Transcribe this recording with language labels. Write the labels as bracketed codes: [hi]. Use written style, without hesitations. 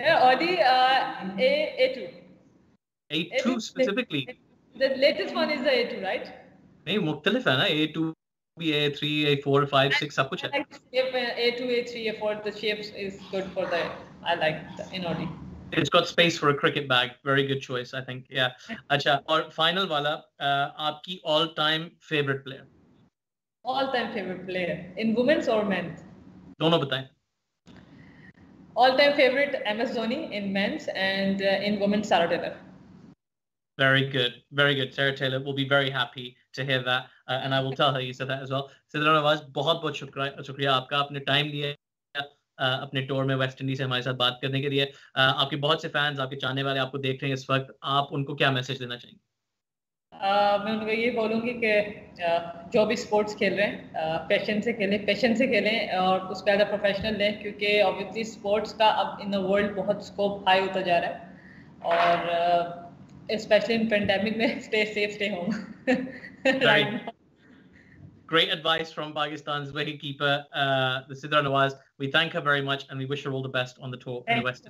[en] Audi A2. A2 specifically? The latest one is the A2, right? [hi] नहीं, मुख्तलिफ है ना. A2 भी, A3, A4, 5, 6 सब कुछ है. [en] A2, A3, A4, the shapes is good for that. I like the Audi. It's got space for a cricket bag. Very good choice, I think. Yeah. [hi] Acha, aur final wala, [en] aapki all-time favorite player? All-time favorite player in women's or men? [hi] Dono bataye. [en] All-time favorite MS Dhoni in men's, and in women's Sarah Taylor. Very good. Very good. Sarah Taylor will be very happy to hear that, and I will tell her you said that as well. [hi] Sidra Nawaz, bahut bahut shukriya aapka, aapne time liya अपने tour में West Indies से हमारे साथ बात करने के लिए. आपके बहुत से फैंस, आपके चाहने वाले आपको देख रहे हैं इस वक्त, आप उनको क्या मैसेज देना चाहेंगे? मैं उनको ये बोलूंगी कि जो भी स्पोर्ट्स खेल रहे हैं, पैशन से खेलें और उस पर ज़्यादा प्रोफेशनल लें, क्योंकि ऑब्वियसली स्पोर्ट्स का अब इन द वर्ल्ड बहुत स्कोप हाई होता जा रहा है, और स्पेशली इन पेंडेमिक में [en] Stay safe, stay home. Great advice from Pakistan's wicketkeeper, the Sidra Nawaz. We thank her very much, and we wish her all the best on the tour in the West